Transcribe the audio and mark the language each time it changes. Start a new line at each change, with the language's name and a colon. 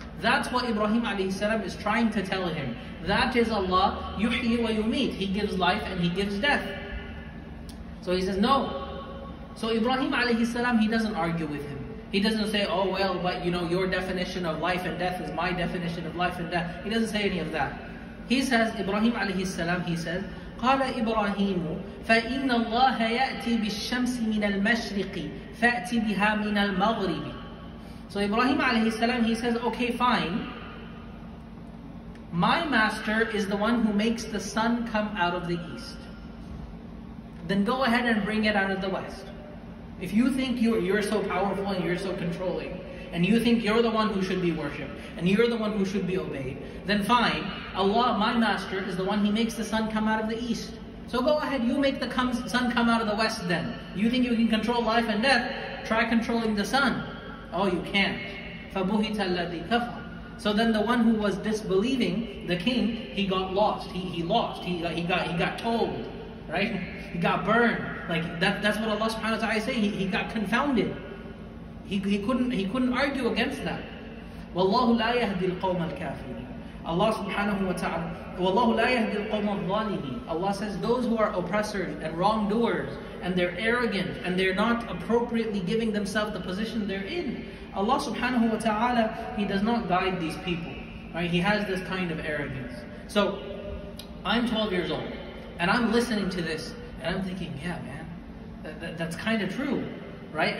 English: That's what Ibrahim alayhi salam is trying to tell him. That is Allah,
Arabic: yuhyi wa yumeet.
English: He gives life and He gives death. So he says, no. So Ibrahim alayhi salam, he doesn't argue with him. He doesn't say, oh well, but you know, your definition of life and death is my definition of life and death. He doesn't say any of that. He says, Ibrahim alayhi salam, he says,
Arabic: قَالَ إِبْرَاهِيمُ فَإِنَّ اللَّهَ يَأْتِي بِالشَّمْسِ مِنَ الْمَشْرِقِ فَأْتِي بِهَا مِنَ الْمَغْرِبِ.
English: So Ibrahim alayhi salam, he says, okay, fine. My master is the one who makes the sun come out of the east. Then go ahead and bring it out of the west. If you think you're so powerful and you're so controlling, and you think you're the one who should be worshipped, and you're the one who should be obeyed, then fine, Allah, my master, is the one, He makes the sun come out of the east. So go ahead, you make the sun come out of the west then. You think you can control life and death, try controlling the sun. Oh, you can't.
Arabic: فَبُهِتَ الَّذِي كَفَرَ.
English: So then the one who was disbelieving, the king, he got lost. He got told, right? He got burned. Like, that's what Allah subhanahu wa ta'ala is saying. He got confounded. He couldn't argue against that.
Arabic: وَاللَّهُ لَا يَهْدِي الْقَوْمَ الْكَافِرِينَ. Allah subhanahu wa ta'ala, وَاللَّهُ لَا يَهْدِي الْقَوْمَ الظَّالِمِينَ.
English: Allah says, those who are oppressors and wrongdoers, and they're arrogant, and they're not appropriately giving themselves the position they're in, Allah subhanahu wa ta'ala, He does not guide these people. Right? He has this kind of arrogance. So, I'm 12 years old, and I'm listening to this, and I'm thinking, yeah man, that's kind of true. Right?